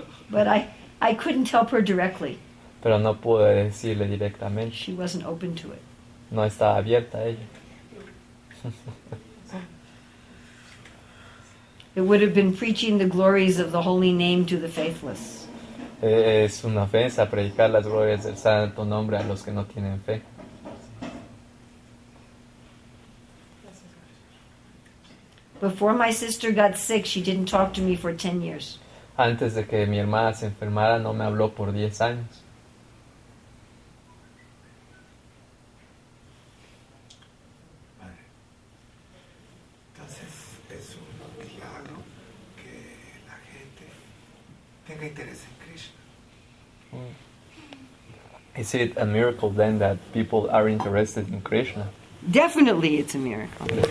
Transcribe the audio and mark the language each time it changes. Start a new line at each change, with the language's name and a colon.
English: But I couldn't help her directly.
Spanish: Pero no pude decirle directamente.
English: She wasn't open to it.
Spanish: No estaba abierta a ella.
English: It would have been preaching the glories of the holy name to the faithless.
Spanish: Es una ofensa predicar las glorias del santo nombre a los que no tienen fe.
English: Before my sister got sick, she didn't talk to me for 10 years.
Spanish: Antes de que mi hermana se enfermara, no me habló por 10 años. Entonces, es un milagro que la gente tenga interés en Krishna.
English: Is it a miracle then that people are interested in Krishna? Definitely it's a miracle.